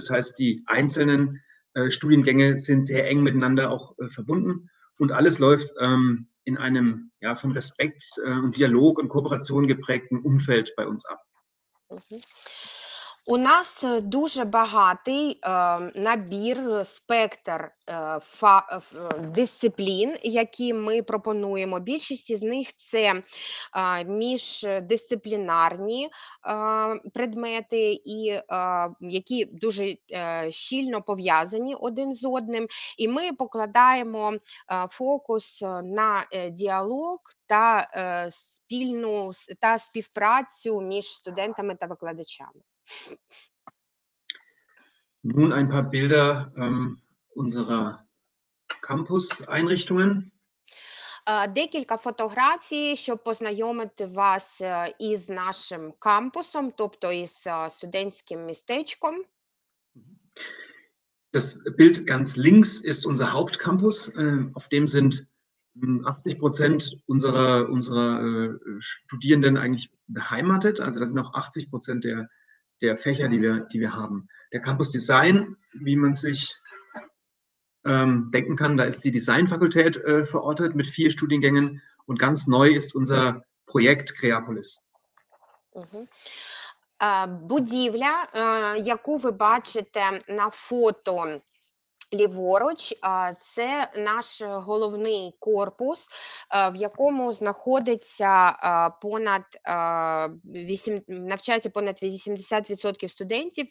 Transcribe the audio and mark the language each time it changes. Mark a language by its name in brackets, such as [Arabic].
[German] Das heißt, die einzelnen Studiengänge sind sehr eng miteinander auch verbunden. Und alles läuft in einem von Respekt und Dialog und Kooperation geprägten Umfeld bei uns ab. [Ukrainian] У нас дуже багатий набір, спектр дисциплін, які ми пропонуємо. Більшість із них – це міждисциплінарні предмети, і, які дуже щільно пов'язані один з одним. І ми покладаємо фокус на діалог та спільну та співпрацю між студентами та викладачами. [German] Nun ein paar Bilder unserer Campus-Einrichtungen. [Ukrainian] Декілька фотографій, щоб познайомити вас із нашим кампусом, тобто із студентським містечком. [German] Das Bild ganz links ist unser Hauptcampus, auf dem sind 80% unserer Studierenden eigentlich beheimatet, also das sind auch 80% der Fächer, die wir haben. Der Campus Design, wie man sich denken kann, da ist die Designfakultät verortet mit 4 Studiengängen und ganz neu ist unser Projekt Creapolis. [Ukrainian] Будівля, яку ви бачите на фото ліворуч, це наш головний корпус, в якому знаходиться понад 8, навчається понад 80% студентів.